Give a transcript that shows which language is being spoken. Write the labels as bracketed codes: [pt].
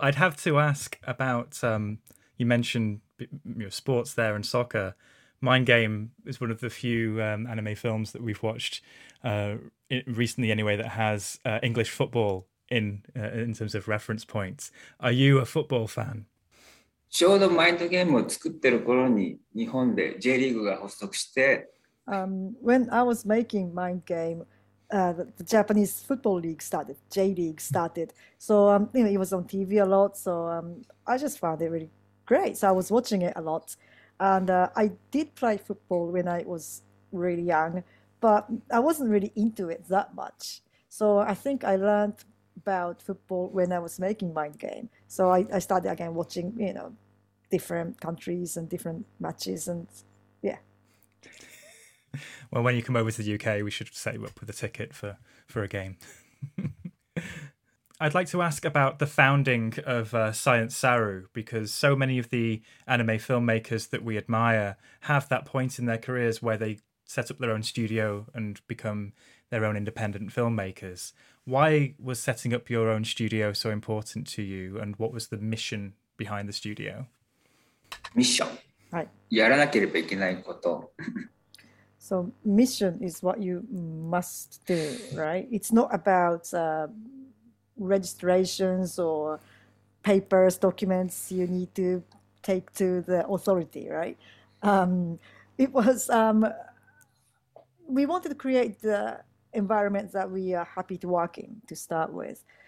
[en] I'd have to ask about, you mentioned sports there and soccer. Mind Game is one of the few anime films that we've watched recently anyway that has English football in terms of reference points. Are you a football fan? [ja] ちょうどマインドゲームを作ってる頃に日本で J リーグが発足して [en] When I was making Mind Game, the Japanese Football League started, J League started. So it was on TV a lot, so I just found it really great. So I was watching it a lot. And I did play football when I was really young, but I wasn't really into it that much. So I think I learned about football when I was making Mind Game. So I started again watching, you know, different countries and different matches and yeah. Well, when you come over to the UK, we should set you up with a ticket for a game. I'd like to ask about the founding of Science Saru, because so many of the anime filmmakers that we admire have that point in their careers where they set up their own studio and become their own independent filmmakers. Why was setting up your own studio so important to you, and what was the mission behind the studio? Mission. Right. [ja] やらなければいけないこと。 [en] So mission is what you must do, right? It's not about registrations or papers, documents you need to take to the authority, right? It was, we wanted to create the environment that we are happy to work in to start with.